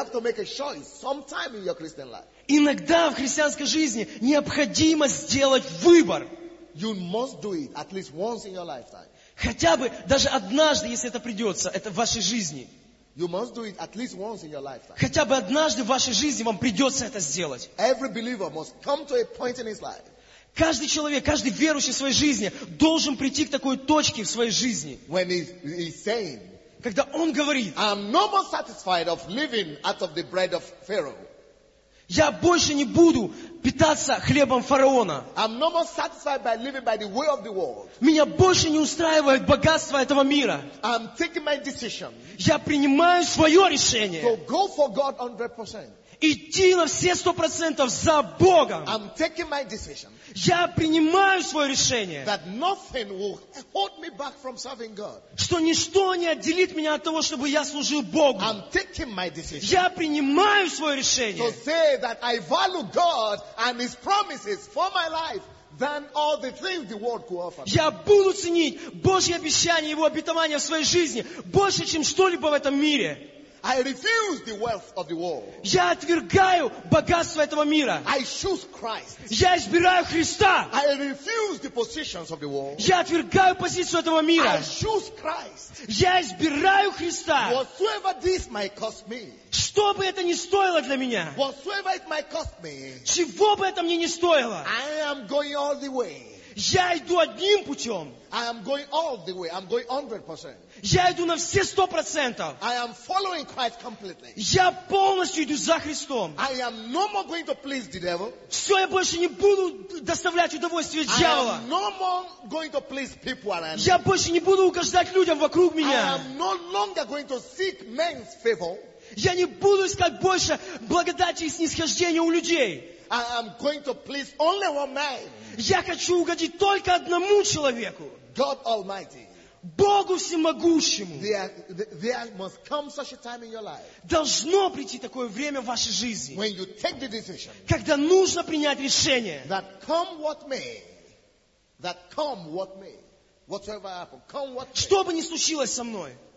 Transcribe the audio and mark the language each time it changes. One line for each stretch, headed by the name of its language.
Russian: Иногда в христианской жизни необходимо сделать выбор.
English: You must do it at least once in your lifetime.
Russian: Хотя бы даже однажды, если это придется, это в вашей жизни.
English: You must do it at least once in your lifetime.
Russian: Хотя бы однажды в вашей жизни вам придется это сделать.
English: Every believer must come to a point in his life.
Russian: Каждый человек, каждый верующий в своей жизни должен прийти к такой точке в своей жизни.
English: When he's saying,
Russian: когда он говорит,
English: I'm no more satisfied of living out of the bread of Pharaoh.
Russian: Я больше не буду питаться хлебом фараона.
English: I'm no more satisfied by living by the way of the world.
Russian: Меня больше не устраивает богатство этого мира.
English: I'm taking my decision.
Russian: Я принимаю свое решение.
English: So go for God 100%.
Russian: Идти на все 100% за Богом.
English: I'm taking my decision.
Russian: Я принимаю свое решение.
English: That nothing will hold me back from serving God.
Russian: Что ничто не отделит меня от того, чтобы я служил Богу.
English: I'm taking my decision.
Russian: Я принимаю свое решение.
English: To say that I value God and His promises for my life than all the things the world could offer.
Russian: Я буду ценить Божьи обещания и Его обетования в своей жизни больше, чем что-либо в этом мире.
English: I refuse the wealth of the world.
Russian: Я отвергаю богатство этого мира.
English: I choose Christ.
Russian: Я избираю Христа.
English: I refuse the positions of the world.
Russian: Я отвергаю позицию этого мира.
English: I choose Christ.
Russian: Я избираю Христа.
English: Whatsoever this might cost me.
Russian: Что бы это ни стоило для меня.
English: Whatsoever it might cost me.
Russian: Чего бы это мне ни стоило.
English: I am going all the way.
Russian: Я иду одним путем.
English: I am going all the way. I'm going 100%.
Russian: Я иду на все 100%.
English: I am following Christ completely.
Russian: Я полностью иду за Христом.
English: I am no more going to please the devil.
Russian: Все, я больше не буду доставлять удовольствие дьяволу.
English: I am no more going to please people around me.
Russian: Я больше не буду угождать людям вокруг меня.
English: I am no longer going to seek men's favor.
Russian: Я не буду искать больше благодати и снисхождения у людей.
English: I am going to please only one man.
Russian: Я хочу угодить только одному человеку.
English: God Almighty.
Russian: Богу всемогущему.
English: There must come such a time in your life.
Russian: Должно прийти такое время в вашей жизни.
English: When you take the decision.
Russian: Когда нужно принять решение.
English: That come what may. That come what may. Whatever happened. Come what may.
Russian: Что бы ни случилось со мной.